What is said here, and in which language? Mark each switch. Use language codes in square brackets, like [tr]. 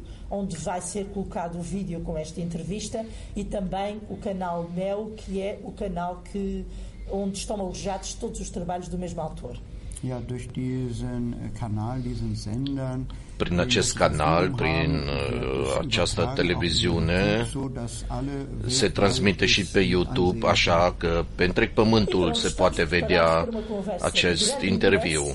[pt] Onde vai ser colocado o vídeo com esta entrevista e também o canal meu, que é o canal que onde estão alojados todos os trabalhos do mesmo autor. [de] Ja, durch diesen Kanal, diesen Sendern, [ro] prin acest canal, prin această televiziune, se transmite și pe YouTube, așa că pe întreg pământul se poate vedea acest interviu.